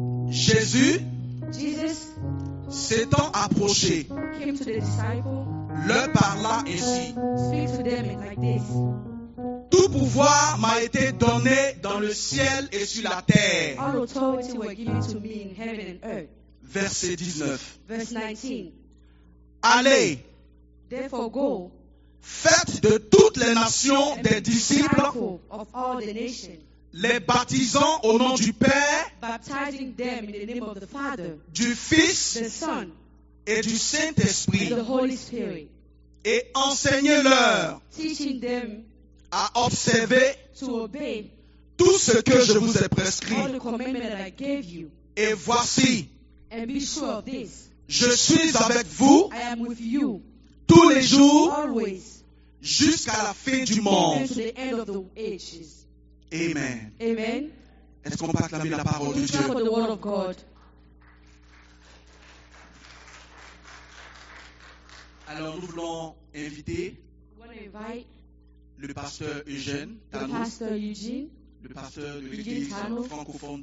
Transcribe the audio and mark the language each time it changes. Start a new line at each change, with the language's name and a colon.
French: Jésus,
English: Jesus,
French: s'étant approché,
English: came to the disciple,
French: leur parla ainsi.
English: Speak to them like this.
French: Tout pouvoir m'a été donné dans le ciel et sur la terre.
English: All authority were given to me in heaven and earth.
French: Verset 19.
English: Verse 19.
French: Allez.
English: Therefore go.
French: Faites de toutes les nations des disciples.
English: Of all the nations.
French: Les baptisant au nom du Père.
English: Baptizing them in the name of the Father.
French: Du Fils.
English: The Son.
French: Et du Saint-Esprit.
English: And the Holy Spirit.
French: Et enseignez-leur.
English: Teaching them.
French: À observer
English: to obey
French: tout ce que je vous ai prescrit.
English: All the commandments that I gave you.
French: Et voici,
English: and be sure of this.
French: Je suis avec vous
English: I am with you.
French: Tous les jours
English: always.
French: Jusqu'à la fin du monde.
English: Even to the end of the ages.
French: Amen.
English: Amen.
French: Est-ce qu'on peut acclamer la parole de Dieu?
English: The word of God.
French: Alors nous voulons inviter le pasteur Eugène Tanos,
English: the pastor Eugene,
French: le pasteur de l'église Tano, francophone